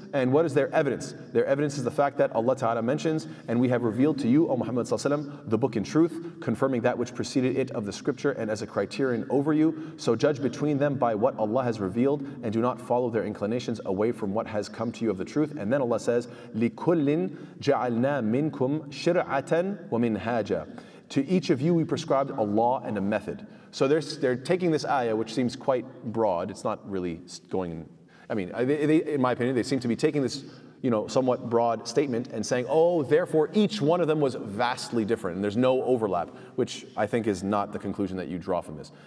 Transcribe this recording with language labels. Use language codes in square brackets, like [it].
[en] And what is their evidence? Their evidence is the fact that Allah Ta'ala mentions, and we have revealed to you, O Muhammad Sallallahu Alaihi Wasallam, the book in truth, confirming that which preceded it of the scripture and as a criterion over you. So judge between them by what Allah has revealed and do not follow their inclinations away from what has come to you of the truth. And then Allah says, [ar] لِكُلِّنْ جَعَلْنَا مِنْكُمْ شِرْعَةً وَمِنْهَاجًا. [en] To each of you we prescribed a law and a method. So they're taking this ayah, which seems quite broad. It's not really going, I mean, they, in my opinion, they seem to be taking this, you know, somewhat broad statement and saying, oh, therefore each one of them was vastly different and there's no overlap, which I think is not the conclusion that you draw from this.